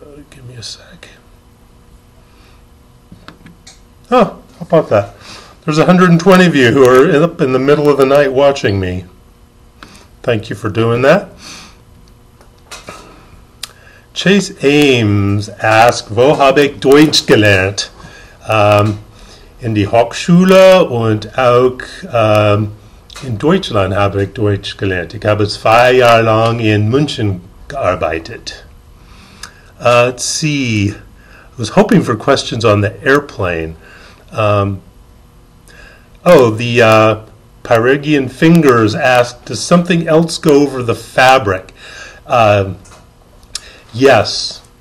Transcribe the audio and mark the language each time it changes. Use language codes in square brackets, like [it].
[en] Give me a sec. Oh, how about that? There's 120 of you who are up in the middle of the night watching me. Thank you for doing that. Chase Ames asks, [de] Wo habe ich Deutsch gelernt? In die Hochschule und auch in Deutschland habe ich Deutsch gelernt. Ich habe 2 Jahre lang in München gearbeitet. [en] Let's see. I was hoping for questions on the airplane. The Pyrrhagian Fingers asked, does something else go over the fabric? Yes.